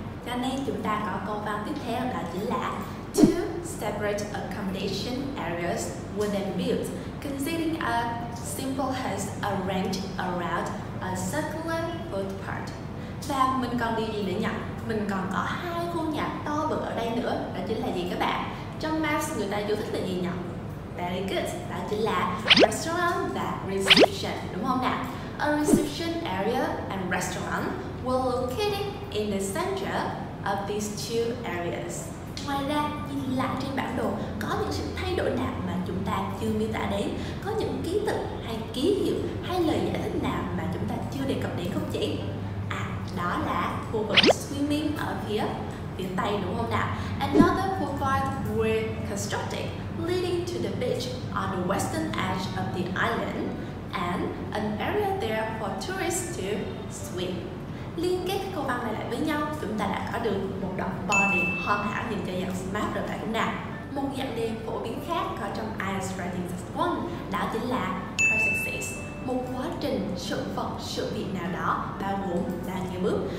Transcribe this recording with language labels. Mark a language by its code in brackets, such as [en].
[vi] Cho nên chúng ta có câu văn tiếp theo, đó chính là [en] two separate accommodation areas were then built, considering a simple house arranged around a circular footpath. [vi] Và mình còn điều gì nữa nhỉ? Mình còn có hai khu nhà to bự ở đây nữa, đó chính là gì các bạn? Trong Maps người ta yêu thích là gì nhỉ? [en] Very good, [vi] đó chính là restaurant và reception, đúng không nào? [en] A reception area and restaurant were located in the center of these two areas. [vi] Ngoài ra, nhìn lại trên bản đồ, có những sự thay đổi nào mà chúng ta chưa miêu tả đến? Có những ký tự hay ký hiệu hay lời giải thích nào mà chúng ta chưa đề cập đến không chị? À, đó là khu vực swimming ở phía phía tây, đúng không nào? [en] Another footpath were constructed, leading to the beach on the western edge of the island and an area there for tourists to swim. [vi] Liên kết câu văn này lại với nhau, chúng ta đã có được một đoạn body hoàn hảo dành cho dạng smart rồi phải không nào? Một dạng đề phổ biến khác có trong IELTS Writing Test 1 đó chính là processes. Một quá trình, sự vật, sự việc nào đó bao gồm ba nhiều bước.